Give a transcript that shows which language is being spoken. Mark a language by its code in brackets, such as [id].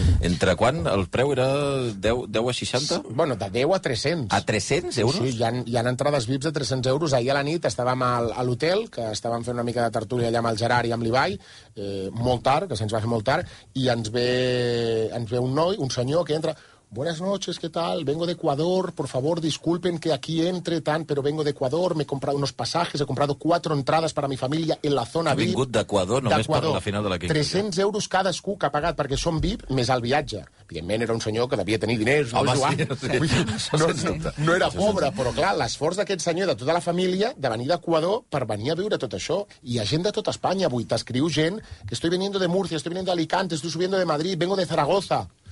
[ca] Entre quan el preu era 10 a 60? Sí, bueno, de 10 a 300. A 300 euros? Sí, hi han entrades VIPs de 300 euros. Ahir a la nit estàvem a l'hotel, que estàvem fent una mica de tertúlia allà amb el Gerard i amb l'Ibai, molt tard, que se'ns va fer molt tard, i ens ve un noi, un senyor, que entra... [es] Buenas noches, ¿qué tal? Vengo de Ecuador, por favor, disculpen que aquí entre tan, pero vengo de Ecuador, me he comprado unos pasajes, he comprado 4 entradas para mi familia en la zona VIP. [ca] Ha vingut d'Ecuador només per la final de la Kings. 300 euros cadascú que ha pagat perquè són VIP més el viatge. Evidentment era un senyor que devia tenir diners, home, no, Joan? Sí. No era pobre, però clar, l'esforç d'aquest senyor i de tota la família de venir d'Ecuador per venir a viure tot això. I hi ha gent de tota Espanya avui, t'escriu gent que [es] estoy veniendo de Murcia, estoy veniendo de Alicante, estoy subiendo de Madrid, vengo de Zaragoza.